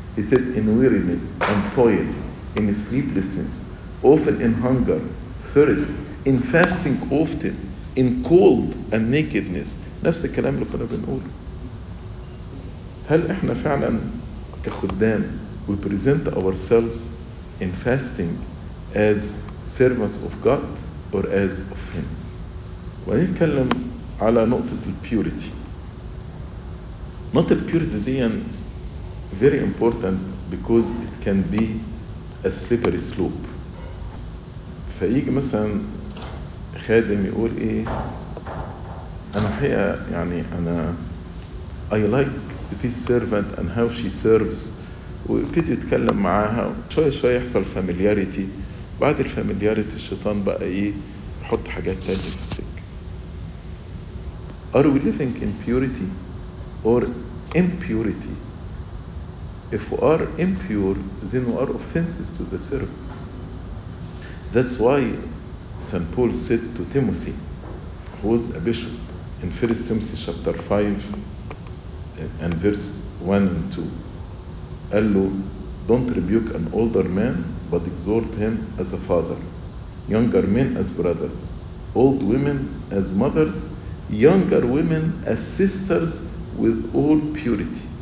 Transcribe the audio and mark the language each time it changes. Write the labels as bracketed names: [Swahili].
[English] He said, in weariness and toil, in sleeplessness, often in hunger, thirst, in fasting often, in cold and nakedness. [Arabic] نفس الكلام اللي كنا بنقول. هل احنا فعلا كخدام [English] we present ourselves in fasting as servants of God or as offense? [Arabic] ونتكلم على نقطة البيوريتي. نقطة البيوريتي دي [English] very important because it can be a slippery slope. [Arabic] فيجي مثلا خادم يقول ايه انا حقيقة يعني انا [English] I like this servant and how she serves, [Arabic] وابتدي يتكلم معاها شوية شوية يحصل familiarity. بعد الفاميلياريتي الشيطان بقى ايه يحط حاجات تانية في السك. [English] Are we living in purity or impurity? If we are impure, then we are offenses to the service. That's why St. Paul said to Timothy, who was a bishop, in 1 Timothy chapter 5 and verse 1 and 2, Allo, don't rebuke an older man, but exhort him as a father, younger men as brothers, old women as mothers, younger women as sisters with all purity.